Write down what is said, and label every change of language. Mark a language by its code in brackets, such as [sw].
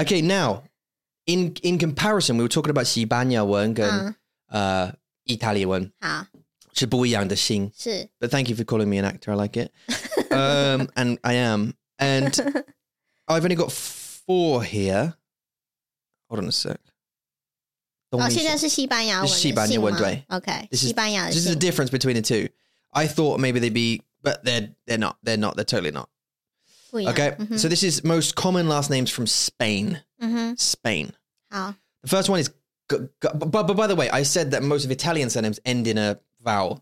[en] Okay, now, in comparison, we were talking about [zh] 西班牙文跟意大利文。好。是不一样的心。是。 [en] But thank you for calling me an actor. I like it. and I am. And I've only got four here. Hold on a sec. [zh] 现在是西班牙文，西班牙文对。 OK， 西班牙的姓。 [en] This is the difference between the two. I thought maybe they'd be, but they're not. They're not. They're totally not. Okay, so this is most common last names from Spain. Spain. [zh] 好。 [en] The first one is, but by the way, I said that most of Italian surnames end in a vowel.